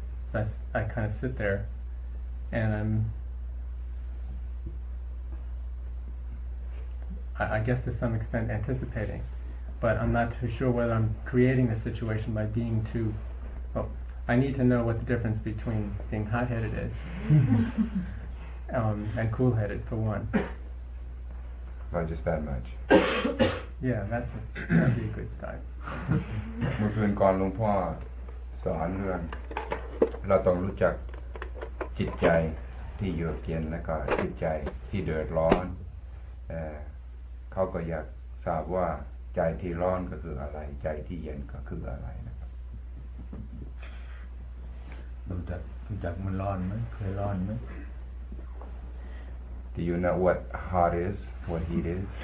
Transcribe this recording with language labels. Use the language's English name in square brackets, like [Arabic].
[English] So I kind of sit there, and I guess to some extent anticipating, but I'm not too sure whether I'm creating the situation by being too, well, I need to know what the difference between being hot-headed is. and cool-headed, for one. Not just that much. Yeah, that's a, that'd be a good start. [Thai] เมื่อคืนก่อนหลวงพ่อสอนเรื่องเราต้องรู้จักจิตใจที่เยือกเย็นแล้วก็จิตใจที่เดือดร้อนเขาก็อยากทราบว่าใจที่ร้อนก็คืออะไรใจที่เย็นก็คืออะไรนะครับ รู้จักมันร้อนไหมเคยร้อนไหม [English] Do you know what hot is, what heat is?